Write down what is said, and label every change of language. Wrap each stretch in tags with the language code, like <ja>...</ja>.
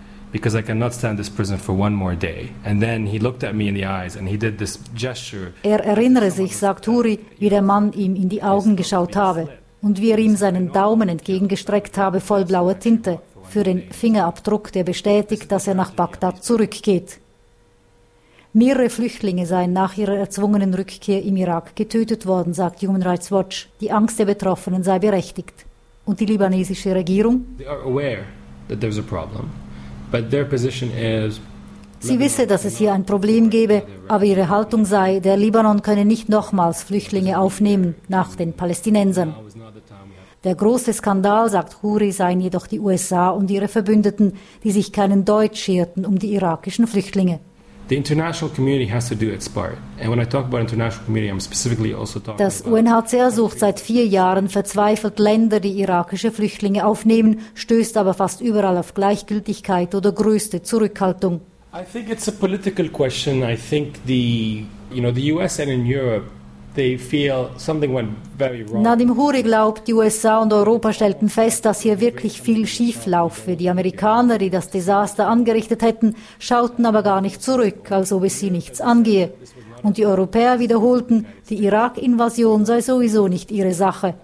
<en>Because I cannot stand this prison for one more day. And then he looked at me in the eyes and he did this gesture.</en> <de>Er erinnere sich, sagt Huri, wie der Mann ihm in die Augen geschaut habe und wie er ihm seinen Daumen entgegengestreckt habe, voll blauer Tinte, für den Fingerabdruck, der bestätigt, dass er nach Bagdad zurückgeht. Mehrere Flüchtlinge seien nach ihrer erzwungenen Rückkehr im Irak getötet worden, sagt Human Rights Watch. Die Angst der Betroffenen sei berechtigt. Und die libanesische Regierung?</de> <en>They are aware that there's a problem. But their position is,</en> <de>sie wisse, dass es hier ein Problem gebe, aber ihre Haltung sei, der Libanon könne nicht nochmals Flüchtlinge aufnehmen nach den Palästinensern. Der große Skandal, sagt Huri, seien jedoch die USA und ihre Verbündeten, die sich keinen Deut scherten um die irakischen Flüchtlinge. Das UNHCR sucht seit 4 Jahren verzweifelt Länder, die irakische Flüchtlinge aufnehmen, stößt aber fast überall auf Gleichgültigkeit oder größte Zurückhaltung.</de> <en>I think it's a political question. I think the US and in Europe, they feel something went very wrong.</en> <de>Nadim Huri glaubt, die USA und Europa stellten fest, dass hier wirklich viel schief laufe. Die Amerikaner, die das Desaster angerichtet hätten, schauten aber gar nicht zurück, als ob es sie nichts angehe. Und die Europäer wiederholten, die Irak-Invasion sei sowieso nicht ihre Sache.</de>